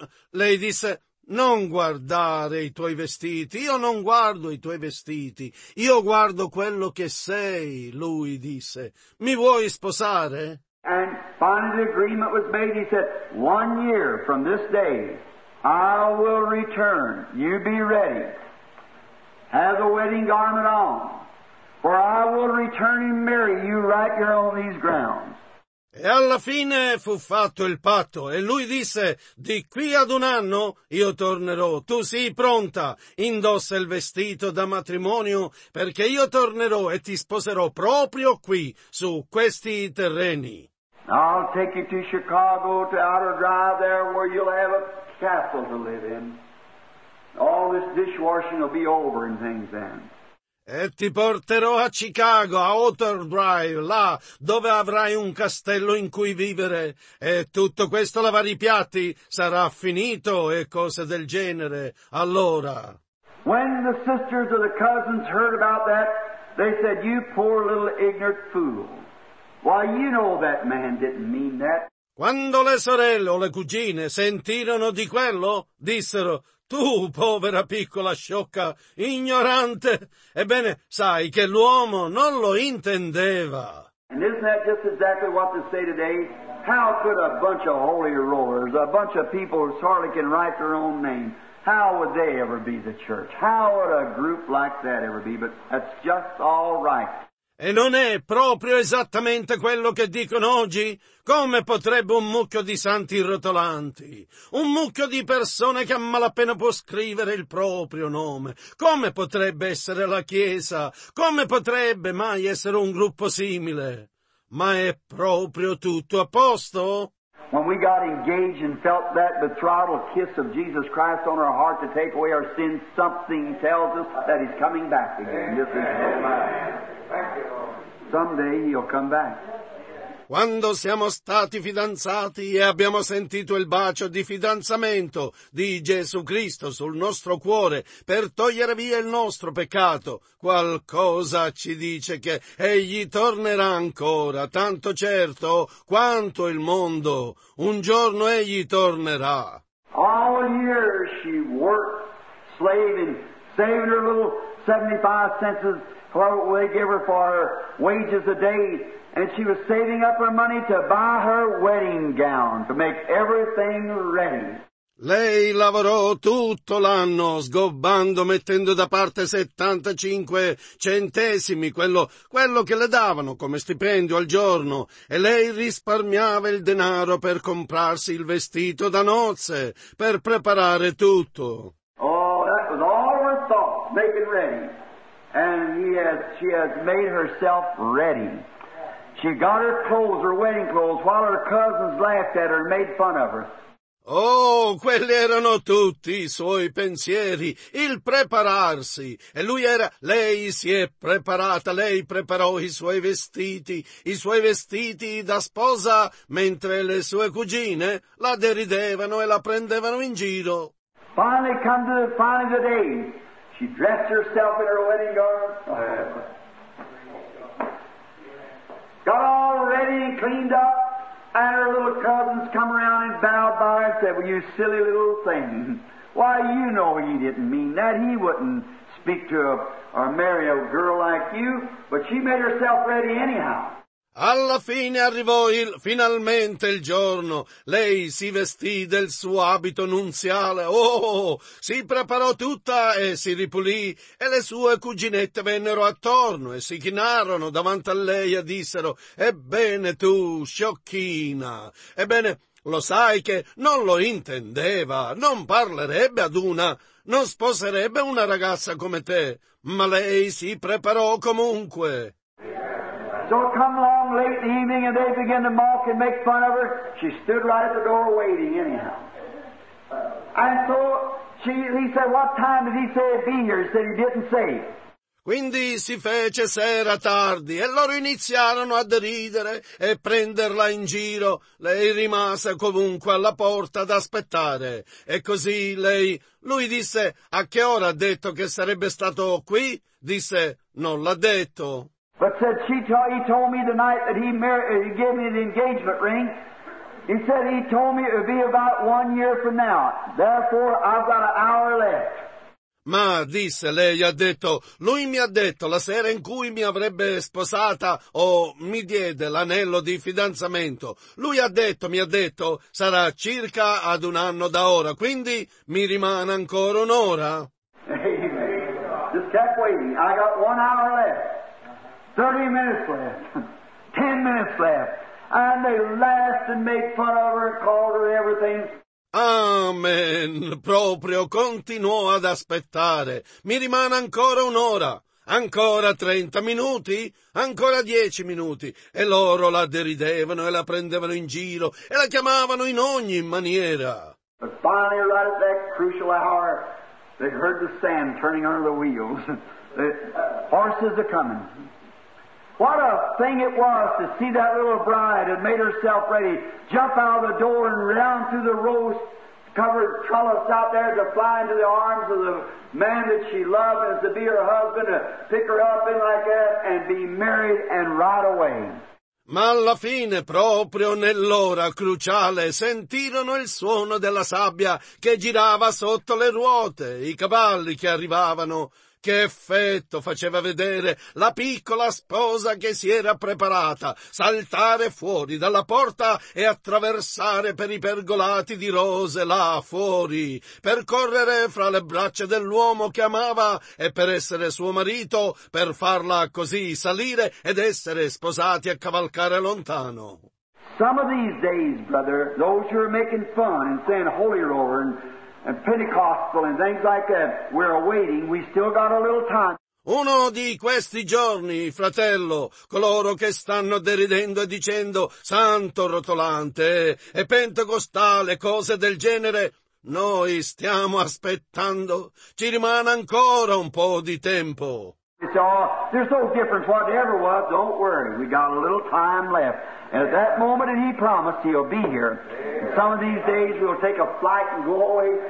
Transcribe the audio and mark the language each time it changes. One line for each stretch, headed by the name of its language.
Italian: Lei disse, non guardare i tuoi vestiti, io non guardo i tuoi vestiti, io guardo quello che sei, lui disse. Mi vuoi sposare?
English: And finally the agreement was made, he said, one year from this day, I will return, you be ready, have a wedding garment on, for I will return and marry you right here on these grounds.
Italian: E alla fine fu fatto il patto, e lui disse, di qui ad un anno io tornerò, tu sii pronta, indossa il vestito da matrimonio, perché io tornerò e ti sposerò proprio qui, su questi terreni.
English: I'll take you to Chicago, to Outer Drive there, where you'll have a castle to live in. All this dishwashing will be over and things then.
Italian: E ti porterò a Chicago, a Outer Drive, là dove avrai un castello in cui vivere. E tutto questo lavare i piatti sarà finito e cose del genere. Allora.
English: When the sisters or the cousins heard about that, they said, you poor little ignorant fool. Why, you know that man didn't mean that.
Italian: Quando le sorelle o le cugine sentirono di quello, dissero, Tu, povera piccola sciocca, ignorante, ebbene, sai che l'uomo non lo intendeva.
English: And isn't that just exactly what they say today? How could a bunch of holy rollers, a bunch of people who hardly can write their own name, how would they ever be the church? How would a group like that ever be? But that's just all right.
Italian: E non è proprio esattamente quello che dicono oggi? Come potrebbe un mucchio di santi rotolanti, un mucchio di persone che a malapena può scrivere il proprio nome, come potrebbe essere la Chiesa? Come potrebbe mai essere un gruppo simile? Ma è proprio tutto a posto?
English: When we got engaged and felt that betrothal kiss of Jesus Christ on our heart to take away our sins, something tells us that He's coming back again. This is so much. Someday he'll come back.
Italian: Quando siamo stati fidanzati e abbiamo sentito il bacio di fidanzamento di Gesù Cristo sul nostro cuore per togliere via il nostro peccato, qualcosa ci dice che egli tornerà ancora, tanto certo quanto il mondo. Un giorno egli tornerà.
English: All year she worked slaving, saving her little 75 cents. What they gave her for her wages a day, and she was saving up her money to buy her wedding gown, to make everything ready.
Italian: Lei lavorò tutto l'anno, sgobbando, mettendo da parte 75 centesimi, quello che le davano come stipendio al giorno, e lei risparmiava il denaro per comprarsi il vestito da nozze, per preparare tutto.
English: Oh, that was all her thought, making ready. And she has made herself ready. She got her clothes, her wedding clothes, while her cousins laughed at her and made fun of her.
Italian: Oh, quelli erano tutti i suoi pensieri, il prepararsi. E lei si è preparata, lei preparò i suoi vestiti da sposa, mentre le sue cugine la deridevano e la prendevano in giro.
English: Finally come to the final of the day. She dressed herself in her wedding garment, got all ready and cleaned up, and her little cousins come around and bowed by her and said, "Well, you silly little thing. Why, you know he didn't mean that. He wouldn't speak to or marry a girl like you." But she made herself ready anyhow.
Italian: Alla fine arrivò finalmente il giorno. Lei si vestì del suo abito nuziale. Oh, si preparò tutta e si ripulì. E le sue cuginette vennero attorno e si chinarono davanti a lei e dissero: "Ebbene tu, sciocchina. Ebbene, lo sai che non lo intendeva. Non parlerebbe ad una, non sposerebbe una ragazza come te." Ma lei si preparò comunque.
English: So come along late in the evening and they began to mock and make fun of her. She stood right at the door waiting anyhow. And so he said, "What time did he say he'd be here?" He said he didn't say.
Italian: Quindi si fece sera tardi e loro iniziarono a deridere e prenderla in giro. Lei rimase comunque alla porta ad aspettare. E così lui disse: "A che ora ha detto che sarebbe stato qui?" Disse: "Non l'ha detto."
English: But said he told me the night that he gave me the engagement ring. He said he told me it would be about 1 year from now. Therefore, I've got an hour left.
Italian: Ma disse, lei ha detto, lui mi ha detto la sera in cui mi avrebbe sposata o mi diede l'anello di fidanzamento. Lui ha detto, sarà circa ad un anno da ora. Quindi mi rimane ancora un'ora.
English: Amen. Just kept waiting. I got 1 hour left. 30 minutes left, 10 minutes left, and they laughed and made fun of her and called her everything. Amen.
Italian: Proprio continuò ad aspettare. Mi rimane ancora un'ora, ancora 30 minuti, ancora 10 minuti. E loro la deridevano e la prendevano in giro e la chiamavano in ogni maniera.
English: But finally, right at that crucial hour, they heard the sand turning under the wheels. The horses are coming. What a thing it was to see that little bride had made herself ready, jump out of the door and round through the rose-covered trellis out there to fly into the arms of the man that she loved and to be her husband, to pick her up in like that and be married and ride away.
Italian: Ma alla fine, proprio nell'ora cruciale, sentirono il suono della sabbia che girava sotto le ruote, i cavalli che arrivavano. Che effetto faceva vedere la piccola sposa che si era preparata saltare fuori dalla porta e attraversare per i pergolati di rose là fuori, per correre fra le braccia dell'uomo che amava e per essere suo marito, per farla così salire ed essere sposati a cavalcare lontano.
English: Some of these days, brother, those who are making fun and saying holy roller and Pentecostal and things like that, we're waiting, we still got a little time.
Italian: Uno di questi giorni, fratello, coloro che stanno deridendo e dicendo santo rotolante e pentecostale, cose del genere, noi stiamo aspettando, ci rimane ancora un po' di tempo.
English: There's no difference whatever was, don't worry, we got a little time left. And at that moment that he promised, he'll be here. And some of these days we'll take a flight and go away.